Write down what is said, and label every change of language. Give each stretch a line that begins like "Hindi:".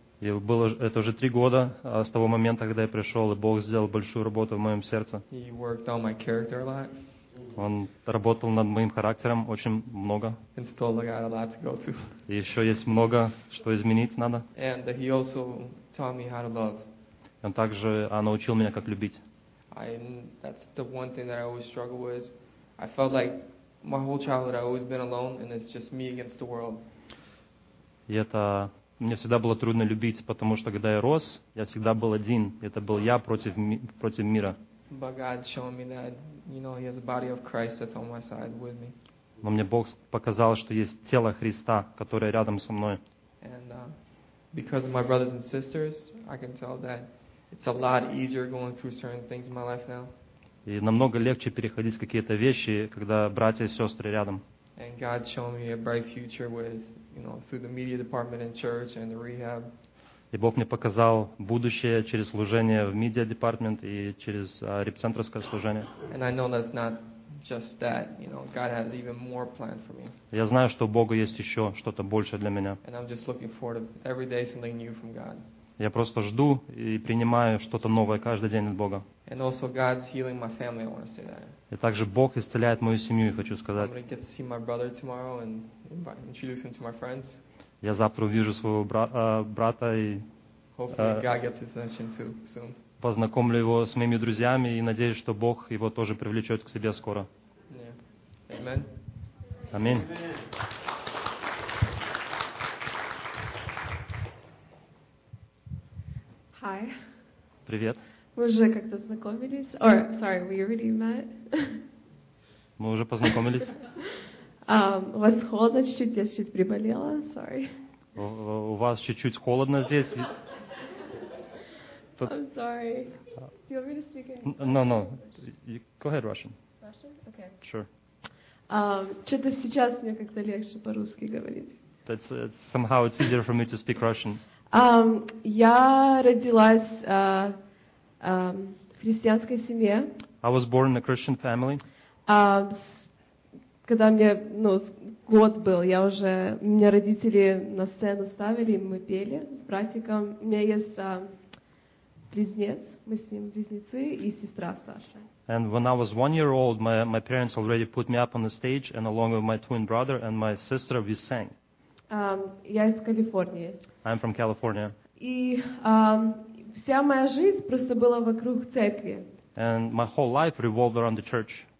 Russian: И было это уже 3 года с того момента, когда я пришел, и Бог сделал большую работу в моем сердце.
English: He worked on my character a lot.
Russian: Он работал над моим характером очень много.
English: And still got a lot to go to.
Russian: И еще есть много, что изменить надо.
English: And he also taught me how to love.
Russian: Он также научил меня, как любить.
English: That's the one thing that I always struggled with. I felt like my whole childhood I've always been alone, and it's just me against the world.
Russian: И это мне всегда было трудно любить, потому что когда я рос, я всегда был один. Это был я против мира.
English: But God showed me that, you know, He has a body of Christ that's on my side with me.
Russian: Но мне Бог показал, что есть тело Христа, которое рядом со мной.
English: And because of my brothers and sisters, I can tell that it's a lot easier going through certain things in my life now.
Russian: И намного легче переходить какие-то вещи, когда братья и сестры рядом.
English: And God showed me a bright future with, you know, through the media department and church and the rehab.
Russian: И Бог мне показал будущее через служение в Media Department и через репцентрское служение.
English: And I know that's not just that, you know, God has even more planned for me.
Russian: Я знаю, что у Бога есть еще что-то большее для меня.
English: And I'm just looking forward to every day something new from God.
Russian: Я просто жду и принимаю что-то новое каждый день от Бога.
English: And also God's healing my family, I want to say that.
Russian: И также Бог исцеляет мою семью, я хочу сказать.
English: I'm going to get to see my brother tomorrow and introduce him to my friends.
Russian: Я завтра увижу своего брата и
English: Hopefully God gets his attention too soon.
Russian: Познакомлю его с моими друзьями и надеюсь, что Бог его тоже привлечет к себе скоро.
English: Yeah. Amen. Amen. Hi.
Russian: Привет. Мы уже как-то знакомились.
English: Or, sorry, we already met.
Russian: Мы уже познакомились. У вас холодно чуть-чуть, я чуть-чуть приболела, sorry. У вас чуть-чуть холодно здесь.
English: I'm sorry. Do you want me to speak in? No, no. Go ahead, Russian. Russian? Okay. Sure.
Russian: Что-то сейчас мне как-то легче по-русски говорить.
English: That's somehow it's easier for me to speak Russian.
Russian: Я родилась в христианской семье.
English: I was born in a Christian family.
Russian: Когда мне год был, я уже меня родители на сцену ставили, мы пели с братиком. У меня есть близнец, мы с ним близнецы и сестра старшая.
English: And when I was 1 year old, my parents already put me up on the stage, and along with my twin brother and my sister, we sang.
Russian: Я из Калифорнии.
English: I'm from California.
Russian: И вся моя жизнь просто была вокруг церкви.
English: And my whole life revolved around the church.